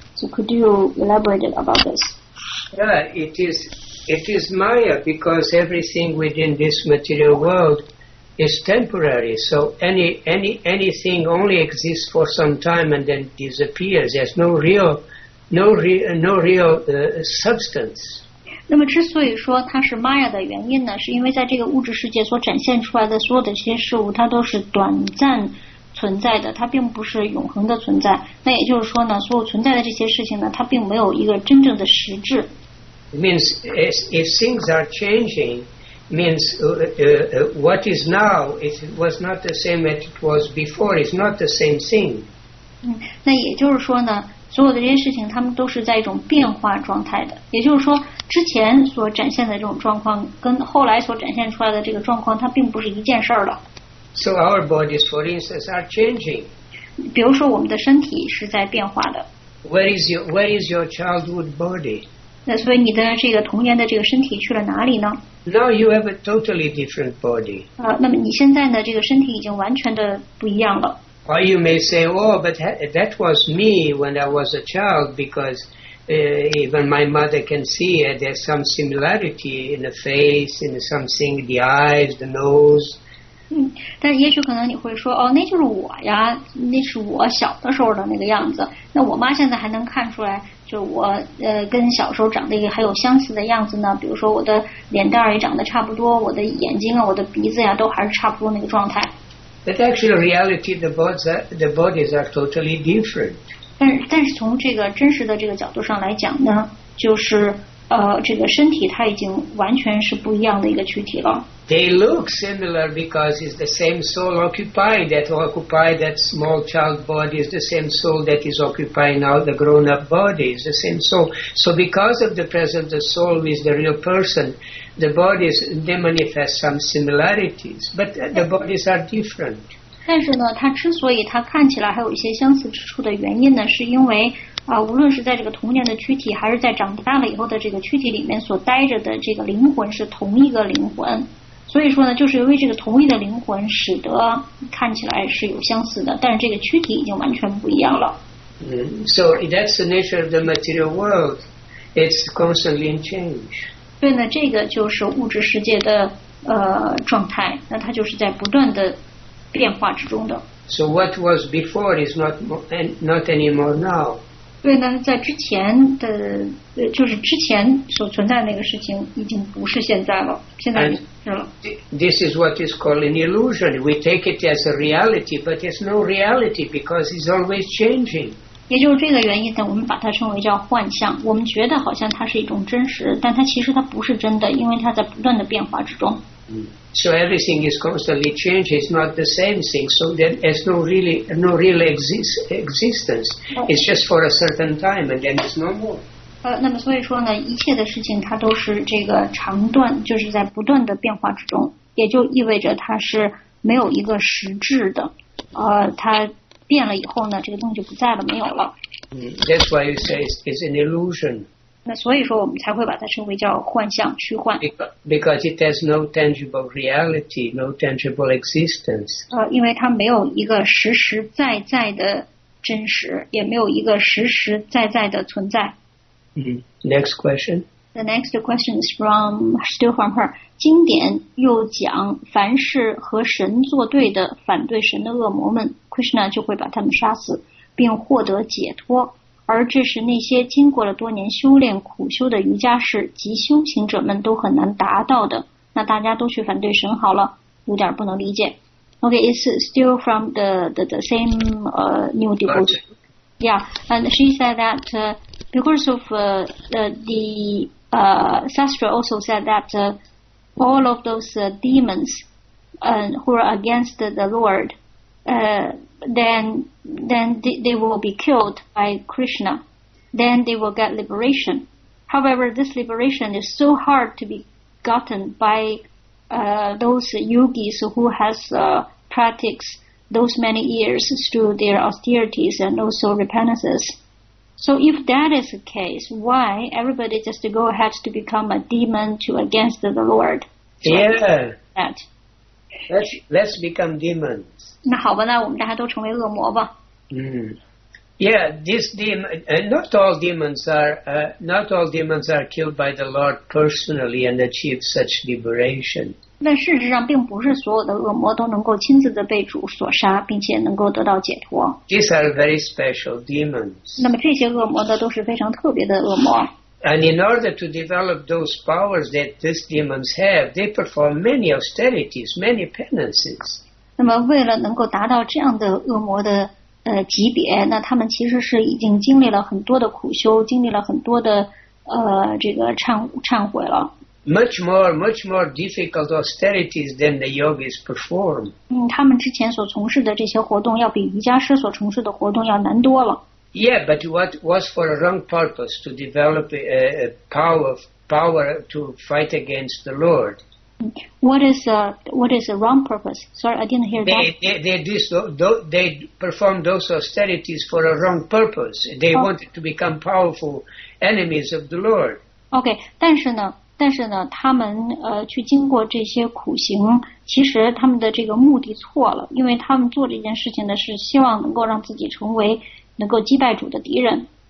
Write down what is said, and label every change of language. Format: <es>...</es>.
<en>So could you elaborate about this? Yeah, it is Maya because everything within this material world is temporary. So anything only exists for some time and then disappears. There's no real substance.</en> <zh>那么之所以说它是 Maya 的原因呢，是因为在这个物质世界所展现出来的所有的这些事物，它都是短暂。存在的它并不是永恒的存在，那也就是说呢，所有存在的这些事情呢，它并没有一个真正的实质。</zh> <en>It means if things are changing, means what is now it was not the same as it was before. It's not the same thing.</en> <zh>嗯，那也就是说呢，所有的这些事情它们都是在一种变化状态的。也就是说，之前所展现的这种状况跟后来所展现出来的这个状况，它并不是一件事儿了。</zh> <en>So our bodies, for instance, are changing.</en> <zh>比如说我们的身体是在变化的。</zh> <en>Where is your childhood body?</en> <zh>那所以你的这个童年的这个身体去了哪里呢？</zh> <en>Now you have a totally different body.</en> <zh>那么你现在呢，这个身体已经完全的不一样了。</zh> <en>Or you may say, oh, but that was me when I was a child because even my mother can see there's some similarity in the face, in something, the eyes, the nose.</en> <zh>嗯，但是也许可能你会说，哦，那就是我呀，那是我小的时候的那个样子。那我妈现在还能看出来，就我跟小时候长得也还有相似的样子呢。比如说我的脸蛋也长得差不多，我的眼睛啊，我的鼻子呀，都还是差不多那个状态。</zh> <en>But actually, reality the bodies are totally different.</en> <zh>但是从这个真实的这个角度上来讲呢，就是这个身体它已经完全是不一样的一个躯体了。</zh> <en>They look similar because it's the same soul occupied that occupied that small child body is the same soul that is occupying now the grown-up body. It's the same soul. So because of the presence of the soul with the real person, the bodies, they manifest some similarities. But the bodies are different.</en> <zh>但是呢，它之所以它看起来还有一些相似之处的原因呢，是因为啊，无论是在这个童年的躯体，还是在长大了以后的这个躯体里面所待着的这个灵魂是同一个灵魂，所以说呢，就是因为这个同一的灵魂，使得看起来是有相似的，但是这个躯体已经完全不一样了。</zh> <en>嗯 ，So that's the nature of the material world. It's constantly in change.</en> <zh>对呢，这个就是物质世界的状态，那它就是在不断的变化之中的。</zh> <en>So what was before is not anymore now.</en> <zh>对呢，在之前的，就是之前所存在的那个事情，已经不是现在了，现在是了。</zh> <en>This is what is called an illusion. We take it as a reality, but it's no reality because it's always changing.</en> <zh>也就是这个原因呢，我们把它称为叫幻象。我们觉得好像它是一种真实，但它其实它不是真的，因为它在不断的变化之中。</zh> <en>So everything is constantly changing. It's not the same thing. So there's no real existence. It's just for a certain time, and then it's no more.</en> <zh>那么所以说呢，一切的事情它都是这个长段，就是在不断的变化之中，也就意味着它是没有一个实质的。它变了以后呢，这个东西就不在了，没有了。</zh> <en>That's why you say it's an illusion.</en> <zh>那所以说我们才会把它称为叫幻象虚幻</zh> <en>because it has no tangible reality no tangible existence</en> <zh>因为它没有一个实实在在的真实也没有一个实实在在的存在、</zh> <en>Next question The next question is from still from her</en> <zh>经典又讲凡是和神作对的反对神的恶魔们 Krishna 就会把他们杀死并获得解脱而这是那些经过了多年修炼苦修的瑜伽士及修行者们都很难达到的。那大家都去反对神好了，有点不能理解。</zh> <en>Okay, it's still from the same new devotee. Yeah, and she said that because of Sastra also said that all of those demons who are against the Lord. Then they will be killed by Krishna. Then they will get liberation. However, this liberation is so hard to be gotten by those yogis who has practiced those many years through their austerities and also repentances. So if that is the case, why everybody just go ahead to become a demon to against the Lord? Yeah. Let's become demons.</en> <zh>那好吧，那我们大家都成为恶魔吧。</zh> <en>Yeah, this demon, not all demons are killed by the Lord personally and achieve such liberation.</en> <zh>但事实上，并不是所有的恶魔都能够亲自的被主所杀，并且能够得到解脱。</zh> <en>These are very special demons.</en> <zh>那么这些恶魔的都是非常特别的恶魔。</zh> <en>And in order to develop those powers that these demons have, they perform many austerities, many penances.</en> <zh>那么为了能够达到这样的恶魔的级别那他们其实是已经经历了很多的苦修经历了很多的这个忏悔了</zh> <en>much more difficult austerities than the yogis perform</en> <zh>他们之前所从事的这些活动要比瑜伽师所从事的活动要难多了</zh> <en>yeah but what was for a wrong purpose to develop a power to fight against the lord What is the wrong purpose? Sorry, I didn't hear that. They performed those austerities for a wrong purpose. They wanted to become powerful enemies of the Lord.</en> <zh>Okay, 但是呢，他们去经过这些苦行，其实他们的这个目的错了，因为他们做这件事情呢，是希望能够让自己成为能够击败主的敌人。</zh>